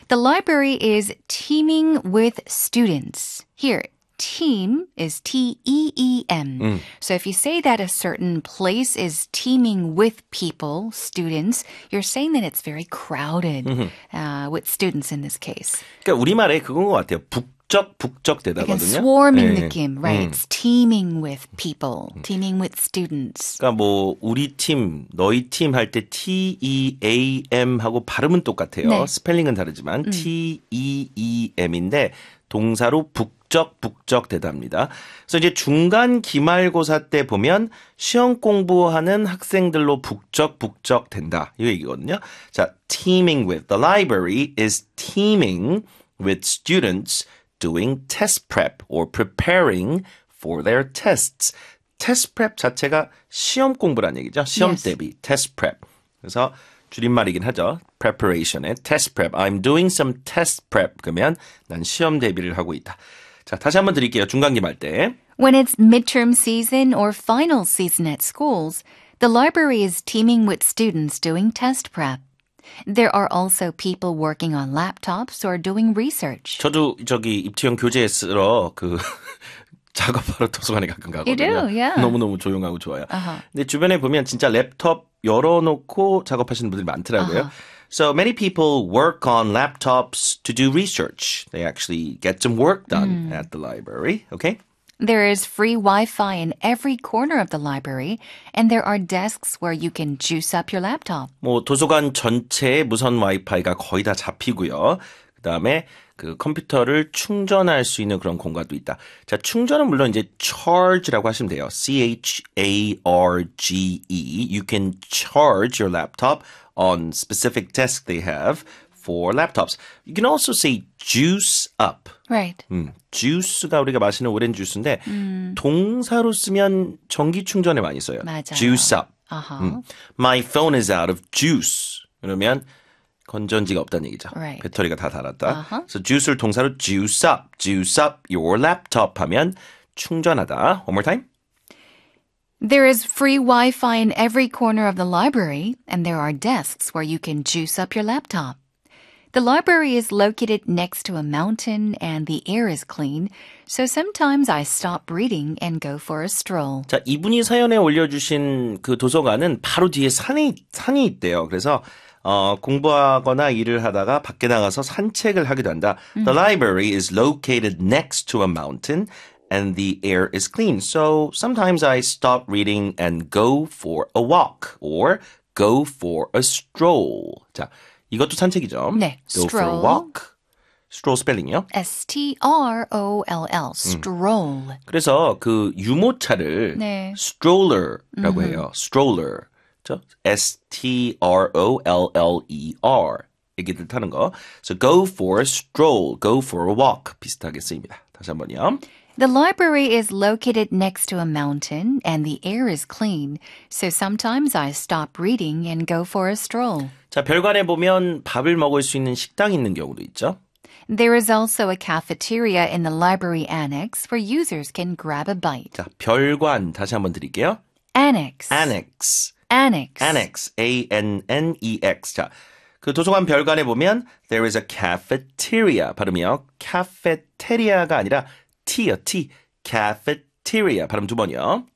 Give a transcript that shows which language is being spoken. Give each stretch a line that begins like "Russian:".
English: The library is teeming with students. Here, team is T-E-E-M. Mm. So if you say that a certain place is teeming with people, students, you're saying that it's very crowded with students in this case.
Korean: 그러니까 우리말에 그건 것 같아요. 북적북적 되다거든요.
English: Like a swarming
Korean: 네. 느낌,
English: right? It's teeming with people, teeming with students.
Korean: 그러니까 뭐 우리 팀, 너희 팀 할 때 T-E-A-M 하고 발음은 똑같아요. 네. 스펠링은 다르지만 T-E-E-M인데 동사로 북적북적 되답니다. 그래서 이제 중간 기말고사 때 보면 시험 공부하는 학생들로 북적북적 된다. 이 얘기거든요. 자, teeming with.
English: The library is teeming with students doing test prep or preparing for their tests.
Korean: Test prep 자체가 시험 공부란 얘기죠. 시험
English: yes.
Korean: 대비, test prep. 그래서 줄임말이긴 하죠.
English: Preparation의 test prep. I'm doing some test prep.
Korean: 그러면 난 시험 대비를 하고 있다. 자, 다시 한번 드릴게요. 중간기말 때.
English: When it's midterm season or final season at schools, the library is teeming with students doing test prep. There are also people working on laptops or doing research.
Korean: 저도 저기 입지영 교재 쓰러 그 작업하러 도서관에 가끔 가거든요.
English: You do, yeah.
Korean: 너무너무 조용하고 좋아요. Uh-huh. 근데 주변에 보면 진짜 랩톱 열어놓고 작업하시는 분들이 많더라고요. Uh-huh.
English: So many people work on laptops to do research. They actually get some work done at the library, okay? There is free Wi-Fi in every corner of the library, and there are desks where you can juice up your laptop.
Korean: 뭐 도서관 전체에 무선 와이파이가 거의 다 잡히고요. 그다음에 그 컴퓨터를 충전할 수 있는 그런 공간도 있다. 자, 충전은 물론 이제 charge라고 하시면 돼요. charge.
English: You can charge your laptop on specific desk they have. For laptops. You can also say juice up. Right.
Korean: Juice가 우리가 마시는 오렌지 주스인데 동사로 쓰면 전기 충전에 많이 써요. 맞아요.
English: Juice up. Uh-huh. My phone is out of juice.
Korean: 그러면 건전지가 없다는 얘기죠.
English: Right.
Korean: 배터리가 다 닳았다. Uh-huh.
English: So juice
Korean: 를 동사로
English: juice up your laptop
Korean: 하면 충전하다.
English: One more time. There is free Wi-Fi in every corner of the library, and there are desks where you can juice up your laptop. The library is located next to a mountain, and the air is clean, so sometimes I stop reading and go for a stroll.
Korean: 자, 이분이 사연에 올려주신 그 도서관은 바로 뒤에 산이 있대요. 그래서 공부하거나 일을 하다가 밖에 나가서 산책을 하기도 한다. Mm-hmm.
English: The library is located next to a mountain, and the air is clean. So sometimes I stop reading and go for a walk or go for a stroll.
Korean: 자, 이것도 산책이죠. 네,
English: go stroll. For a walk. Stroll
Korean: 스펠링이요?
English: S-T-R-O-L-L. Stroll.
Korean: 그래서 그 유모차를 네. stroller라고 mm-hmm. 해요. Stroller. 그렇죠? S-T-R-O-L-L-E-R. 얘기들 타는 거.
English: So go for a stroll. Go for a walk.
Korean: 비슷하게 쓰입니다. 다시 한 번요.
English: The library is located next to a mountain, and the air is clean. So sometimes I stop reading and go for a stroll.
Korean: 자, 별관에 보면 밥을 먹을 수 있는 식당이 있는 경우도 있죠.
English: There is also a cafeteria in the library annex where users can grab a bite.
Korean: 자, 별관 다시 한번 드릴게요.
English: Annex. Annex. Annex.
Korean: Annex. A-N-N-E-X. 자, 그 도서관 별관에 보면
English: there is a cafeteria.
Korean: 발음이요. Cafeteria가 아니라 T요, T. Cafeteria. 발음 두 번이요.